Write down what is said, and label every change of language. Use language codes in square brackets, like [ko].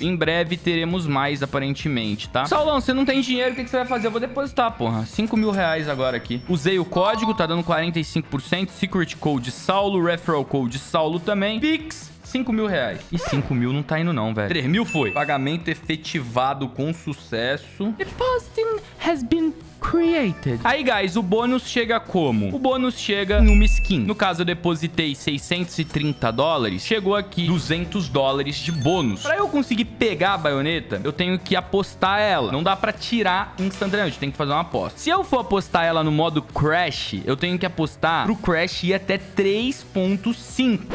[pt] Em breve teremos mais, aparentemente, tá? Saulão, você não tem dinheiro, o que você vai fazer? Eu vou depositar, porra. 5 mil reais agora aqui. Usei o código, tá dando 45%. [en] Secret code Saulo, referral code Saulo [pt] também. Pix. 5 mil reais. E 5 mil não tá indo não, velho. 3 mil foi. Pagamento efetivado com sucesso. [en] Depositing has been created. [pt] Aí, guys, o bônus chega como? O bônus chega numa skin. No caso, eu depositei 630 dólares. Chegou aqui 200 dólares de bônus. Pra eu conseguir pegar a baioneta, eu tenho que apostar ela. Não dá pra tirar instantaneamente. Tem que fazer uma aposta. Se eu for apostar ela no modo crash, eu tenho que apostar pro crash ir até 3.5.